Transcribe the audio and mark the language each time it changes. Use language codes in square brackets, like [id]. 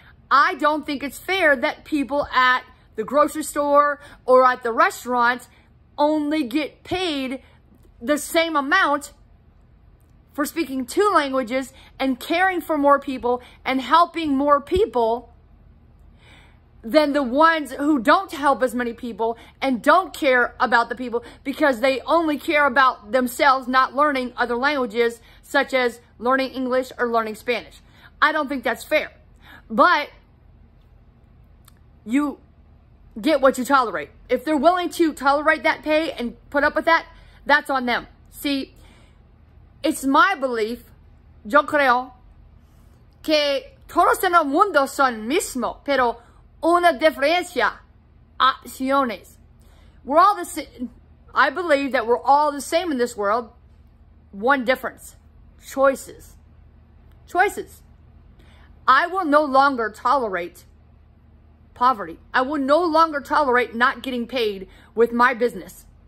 [en] I don't think it's fair that people at the grocery store or at the restaurant only get paid the same amount for speaking two languages and caring for more people and helping more people than the ones who don't help as many people and don't care about the people because they only care about themselves not learning other languages such as learning English or learning Spanish. I don't think that's fair, but you get what you tolerate. If they're willing to tolerate that pay and put up with that, that's on them. See, it's my belief, [es] yo creo, que todos en el mundo son mismo, pero una diferencia, acciones. [en] We're all the same. I believe that we're all the same in this world. One difference, choices. Choices. I will no longer tolerate poverty. I will no longer tolerate not getting paid with my business.